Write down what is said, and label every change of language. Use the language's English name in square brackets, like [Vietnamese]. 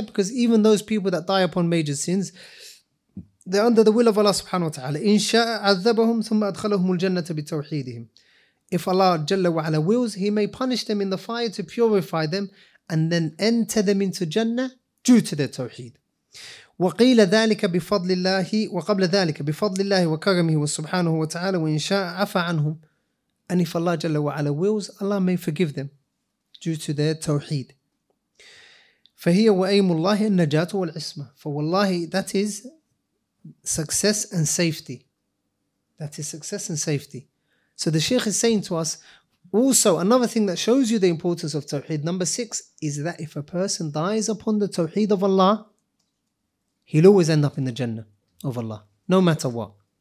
[English] Because even those people that die upon major sins, they're under the will of Allah subhanahu wa ta'ala. [Arabic] إِنْ شَاءَ عَذَّبَهُمْ ثُمَّ أَدْخَلَهُمُ الْجَنَّةَ بِتَوْحِيدِهِمْ. [English] If Allah Jalla wa Ala wills, he may punish them in the fire to purify them and then enter them into Jannah due to their tawheed. [Arabic] وقيل ذلك بفضل الله وقبل ذلك بفضل الله وكرمه وسبحانه وتعالى وإن شاء عفا عنهم. [English] And if Allah جل وعلا wills, Allah may forgive them due to their tawheed. [Arabic] فهي وأيم الله النجاة والعصمة. [English] For والله, that is success and safety. That is success and safety. So the Shaykh is saying to us, also another thing that shows you the importance of tawheed, number 6, is that if a person dies upon the tawheed of Allah, he'll always end up in the Jannah of Allah, no matter what.